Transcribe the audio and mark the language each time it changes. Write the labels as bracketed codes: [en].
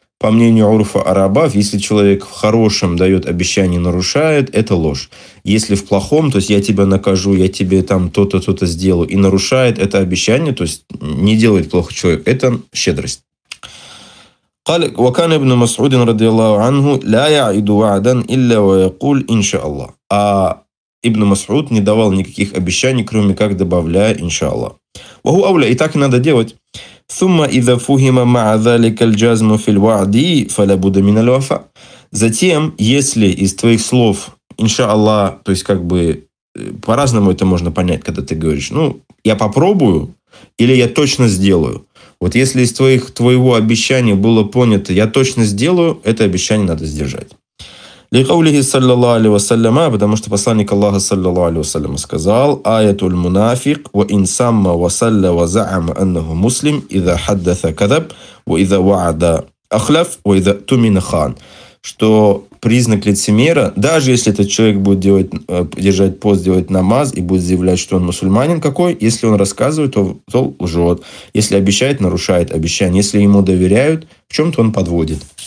[ru] По мнению уруфа арабов, если человек в хорошем дает обещание, нарушает, это ложь. Если в плохом, то есть я тебя накажу, я тебе там то-то, то-то сделаю, и нарушает это обещание, то есть не делает плохо человек, это щедрость. [ar] وكان ابن مسعود رضي الله عنه لا يعيد وعدا إلا ويقول إن شاء الله. [ru] А ибн Масуд не давал никаких обещаний, кроме как добавляя иншаллах. [ar] وهو أولى. [ru] И так надо делать. [ar] ثم إذا فهم مع ذلك الجزم في الوعد فلا بد من الوفاء. [ru] Затем, если из твоих слов иншаллах, то есть как бы по-разному это можно понять, когда ты говоришь, ну я попробую или я точно сделаю. Вот если из твоего обещания было понято, я точно сделаю, это обещание надо сдержать. [ar] لقوله صلى الله عليه وسلم, [ru] потому что посланник Аллаха [ar] صلى الله عليه وسلم [ru] сказал: [ar] آيات المنافق وإن سما وصلى وزعم أنه مسلم إذا حدث كذب وإذا وعد أخلف وإذا تمن خان. [ru] Что признак лицемера, даже если этот человек будет держать пост, делать намаз и будет заявлять, что он мусульманин какой, если он рассказывает, то лжет. Если обещает, нарушает обещание. Если ему доверяют, в чем-то он подводит.